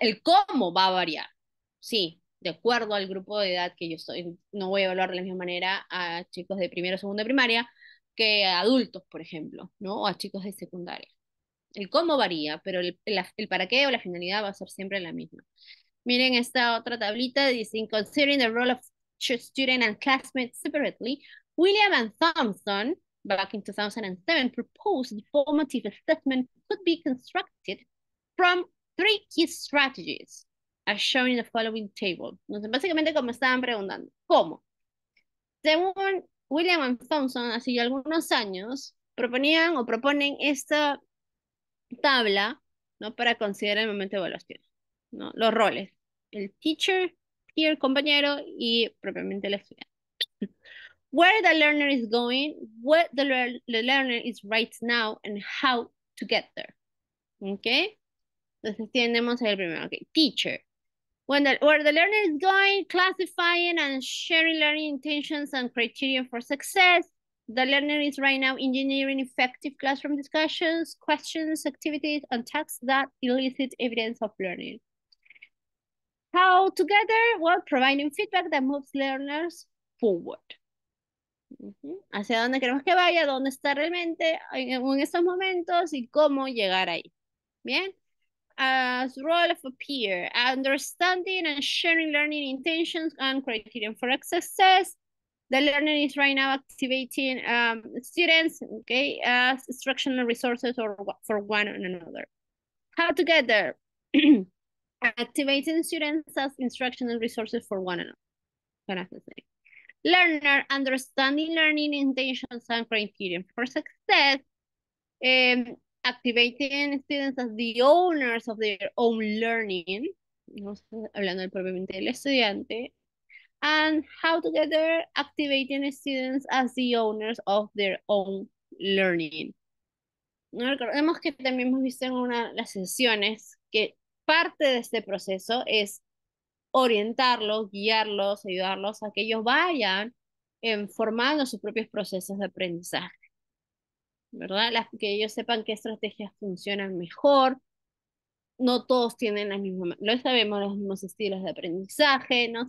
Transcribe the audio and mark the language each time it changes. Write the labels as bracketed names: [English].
[Spanish] El cómo va a variar. Sí, de acuerdo al grupo de edad que yo estoy, no voy a evaluar de la misma manera a chicos de primero o segundo de primaria que a adultos, por ejemplo, ¿no? O a chicos de secundaria. El cómo varía, pero el para qué o la finalidad va a ser siempre la misma. Miren esta otra tablita, dice: [English] In considering the role of student and classmates separately, William and Thompson, back in 2007, proposed formative assessment could be constructed from three key strategies, as shown in the following table. [Spanish] Entonces, básicamente, como estaban preguntando, ¿cómo? Según William and Thompson, hace ya algunos años, proponían o proponen esta tabla, ¿no? Para considerar el momento de evaluación, ¿no? Los roles, el teacher, peer, compañero y propiamente el estudiante. [English] Where the learner is going, what the learner is right now, and how to get there. Okay. [Spanish] Entonces tenemos el primero. [English] Okay. Teacher. Where the learner is going, classifying and sharing learning intentions and criteria for success. The learner is right now engineering effective classroom discussions, questions, activities, and tasks that elicit evidence of learning. How to get there? Well, providing feedback that moves learners forward. [Spanish] ¿Hacia dónde queremos que vaya? ¿Dónde está realmente en estos momentos? ¿Y cómo llegar ahí? ¿Bien? [English] As role of a peer, understanding and sharing learning intentions and criteria for success. The learner is right now activating students, okay, as instructional resources or for one another. How to get there? Activating students as instructional resources for one another. Learner, understanding learning intentions and criteria for success. Activating students as the owners of their own learning. [Spanish] Vamos hablando del propiamente del estudiante. [English] And how to get there, activating students as the owners of their own learning. [Spanish] ¿No? Recordemos que también hemos visto en una de las sesiones que parte de este proceso es orientarlos, guiarlos, ayudarlos a que ellos vayan formando sus propios procesos de aprendizaje, ¿verdad? Que ellos sepan qué estrategias funcionan mejor. No todos tienen las mismas, lo sabemos, los mismos estilos de aprendizaje, ¿no?